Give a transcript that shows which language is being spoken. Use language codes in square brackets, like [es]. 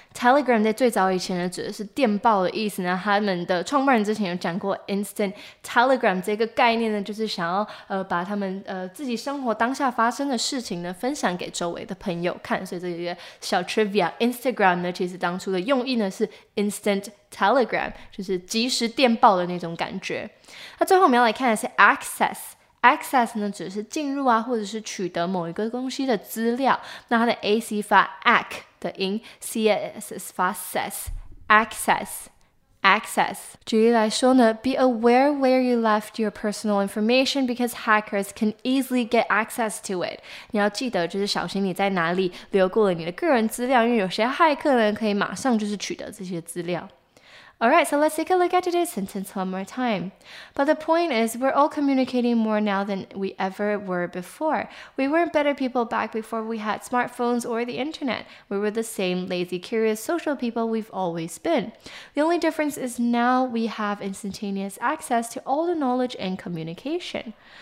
[zh] telegram 在最早以前呢，指的是电报的意思呢。他们的创办人之前有讲过 [en] instant telegram [zh] 这个概念呢，就是想要把他们自己生活当下发生的事情呢，分享给周围的朋友看。所以这个小 trivia， Instagram 呢，其实当初的用意呢是 instant telegram， 就是即时电报的那种感觉。那最后我们要来看的是 access。Access 呢，指的是进入啊，或者是取得某一个东西的资料。那它的 AC 发 ack 的音 ，CSS 发 sess。 Access。 Access. 举例来说呢 [en] ，Be aware where you left your personal information because hackers can easily get access to it. [zh] 你要记得就是小心你在哪里留过了你的个人资料，因为有些骇客呢可以马上就是取得这些资料。 [en] Alright, so let's take a look at today's sentence one more time. But the point is, we're all communicating more now than we ever were before. We weren't better people back before we had smartphones or the internet. We were the same lazy, curious, social people we've always been. The only difference is now we have instantaneous access to all the knowledge and communication.